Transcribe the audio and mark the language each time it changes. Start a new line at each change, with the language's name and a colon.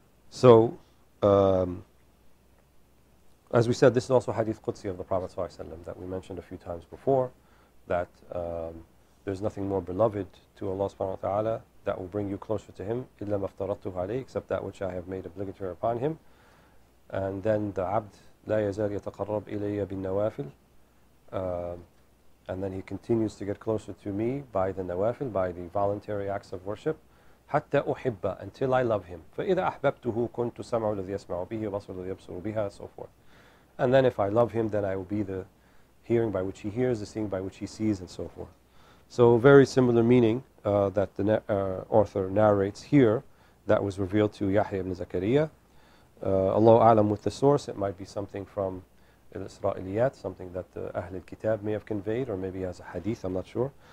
English: So, as we said, this is also hadith Qudsi of the Prophet ﷺ that we mentioned a few times before, that there's nothing more beloved to Allah subhanahu wa ta'ala that will bring you closer to him,
Arabic: إِلَّا مَفْتَرَطْتُهُ عَلَيْهِ,
English: except that which I have made obligatory upon him. And then the abd,
Arabic: لَا يَزَالْ يَتَقَرَّبْ إِلَيَّ بِالنَّوَافِلِ,
English: and then he continues to get closer to me by the nawafil, by the voluntary acts of worship, hatta uhibba, until I love him.
Arabic: فَإِذَا أَحْبَبْتُهُ كُنْتُ سَمْعُ الَّذِي يَسْمَعُ بِهِ وَبَصْرُ الَّذِي يَبْصُرُ بِهَا,
English: and so forth. And then if I love him, then I will be the hearing by which he hears, the seeing by which he sees, and so forth. So very similar meaning that the author narrates here that was revealed to Yahya ibn Zakariya. Allahu a'lam with the source, it might be something from Israeliyat, something that the Ahl al-Kitab may have conveyed, or maybe as a hadith, I'm not sure.